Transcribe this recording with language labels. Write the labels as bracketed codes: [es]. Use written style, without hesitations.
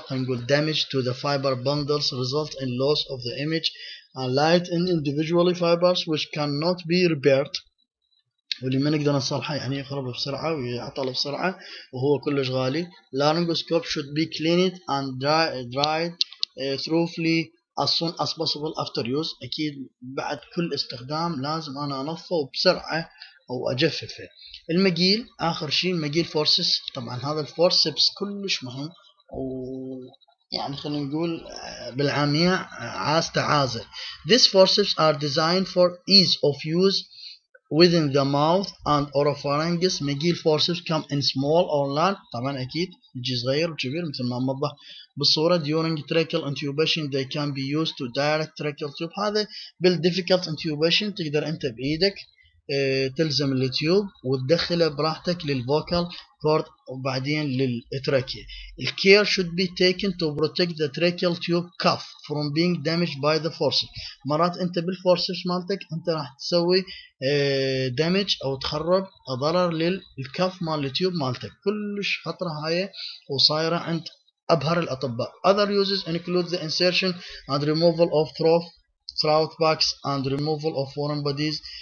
[en] خلينا نقول damage to the fiber bundles result in loss of the image and light in individually fibers which cannot be repaired. [ar] واللي ما نقدر نصلحه يعني يخرب بسرعه ويعطل بسرعه وهو كلش غالي. Laryngoscope should be cleaned and dried thoroughly [en] as soon as possible after use. [ar] أكيد بعد كل استخدام لازم أنا أنظفه وبسرعة أو أجففه. المجيل آخر شيء مجيل فورسس، طبعا هذا الفورسس كلش مهم، ويعني خلينا نقول بالعامية عاز تعازة. [en] These forceps are designed for ease of use within the mouth and oropharynx. [ar] مجيل فورسس come in small or large، طبعا أكيد يجي صغير وكبير مثل ما موضح بالصورة. [en] during tracheal intubation they can be used to direct tracheal tube. [ar] هذا بال difficult intubation تقدر أنت بإيدك تلزم التيوب وتدخله براحتك للفوكال كورد وبعدين للتراكيا. [en] The care should be taken to protect the tracheal tube cuff from being damaged by the forceps. [ar] مرات انت بالفورسس مالتك انت راح تسوي دامج او تخرب ضرر للكف مال التيوب مالتك، كلش خطره هاي وصايره عند ابهر الاطباء. [en] Other uses include the insertion and removal of throat box and removal of foreign bodies.